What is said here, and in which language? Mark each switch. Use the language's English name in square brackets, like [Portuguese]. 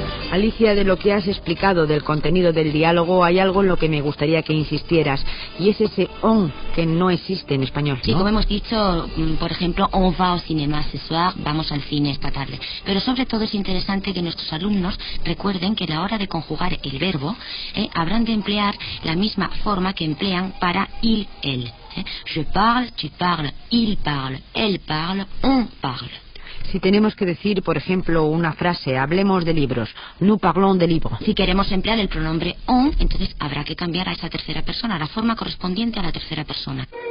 [Spanish] Alicia, de lo que has explicado del contenido del diálogo, hay algo en lo que me gustaría que insistieras, y es ese on que no existe en español, ¿no? Sí, como hemos dicho, por ejemplo, [French] on va au cinéma ce soir, [Spanish] vamos al cine esta tarde. Pero sobre todo es interesante que nuestros alumnos recuerden que a la hora de conjugar el verbo, habrán de emplear la misma forma que emplean para il, él. [French] Je parle, tu parles, il parle, elle parle, on parle. [Spanish] Si tenemos que decir, por ejemplo, una frase, hablemos de libros, [French] nous parlons [Spanish] de libros. Si queremos emplear el pronombre on, entonces habrá que cambiar a esa tercera persona, a la forma correspondiente a la tercera persona.